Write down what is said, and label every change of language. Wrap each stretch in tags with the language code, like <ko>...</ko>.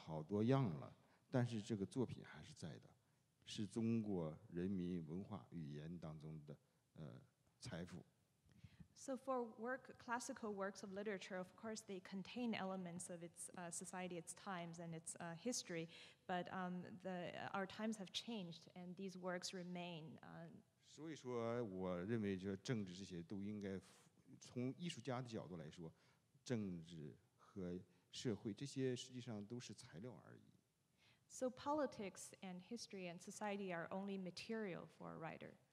<zh>但是说，实际上一个要是在我们说所谓的社会政治，在一部伟大作品前面前，实际上是渺小的，只不过是一个作品的一部分。比方说，刚才那个孟岩先生提到《红楼梦》，还有一些别的像《聊斋志异》，这个政治已经换了多少波了？这个社会也换了好多样了，但是这个作品还是在的。是中国人民文化语言当中的财富。</zh> <en>So for work, classical works of literature, of course, they contain elements of its society, its times, and its history. But our times have changed, and these works remain.</en> <zh>所以说，我认为就政治这些都应该从艺术家的角度来说，政治和社会这些实际上都是材料而已。</zh> <en>So politics and history and society are only material for a writer.</en>